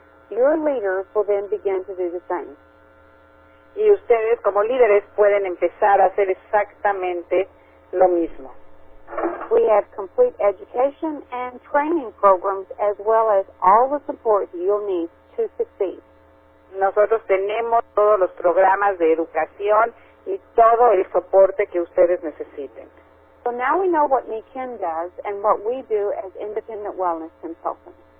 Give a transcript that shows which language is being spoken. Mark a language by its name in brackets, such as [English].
[English] Your leaders will then begin to do the same. [Spanish] Y ustedes como líderes pueden empezar a hacer exactamente lo mismo. [English] We have complete education and training programs as well as all the support you'll need to succeed. [Spanish] Nosotros tenemos todos los programas de educación y todo el soporte que ustedes necesiten. [English] So now we know what Niken does and what we do as independent wellness consultants.